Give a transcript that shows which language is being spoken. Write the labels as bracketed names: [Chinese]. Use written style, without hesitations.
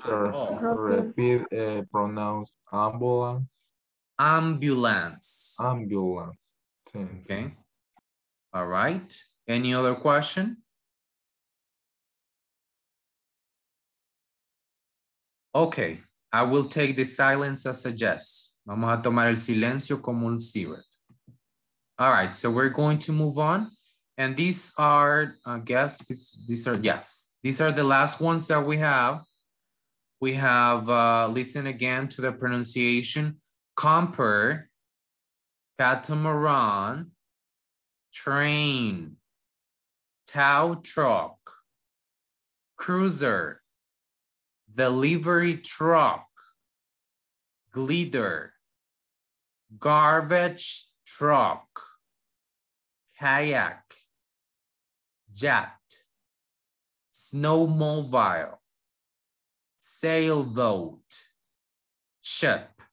[English] repeat, pronounce ambulance. Ambulance. Ambulance. Thanks. Okay. All right. Any other question? Okay. I will take the silence as a yes. [Spanish] Vamos a tomar el silencio como un sí. [English] All right. So we're going to move on. And these are, I guess, these are These are the last ones that we have. We have, listen again to the pronunciation. Comper, catamaran, train, tow truck, cruiser, delivery truck, glider, garbage truck, kayak, jet, snowmobile, sailboat, ship.